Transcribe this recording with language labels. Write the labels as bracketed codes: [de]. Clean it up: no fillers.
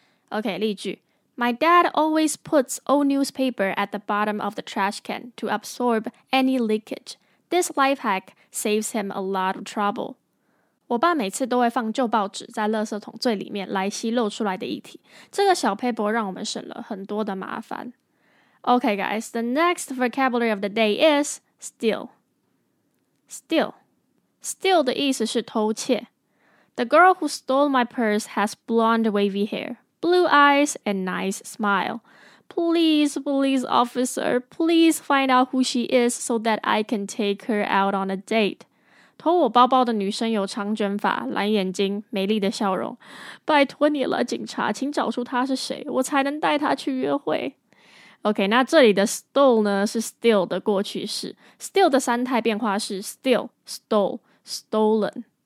[en] OK， [zh] 例句， [en] My dad always puts old newspaper at the bottom of the trash can to absorb any leakage. This life hack saves him a lot of trouble. [zh] 我爸每次都会放旧报纸在垃圾桶最里面来吸漏出来的液体。这个小 paper 让我们省了很多的麻烦。 [en] Okay, guys, the next vocabulary of the day is steal. [zh] Steal. Steal 的意思是偷窃。 [en] The girl who stole my purse has blonde wavy hair. Blue eyes and nice smile. Please, police officer, please find out who she is so that I can take her out on a date. [zh] 偷我包包的女生有长卷发、蓝眼睛、美丽的笑容。拜托你了，警察，请找出她是谁，我才能带她去约会。 OK, 那这里的 stole 呢是 steal 的过去式。 Steal 的三态变化是 steal, stole, stolen.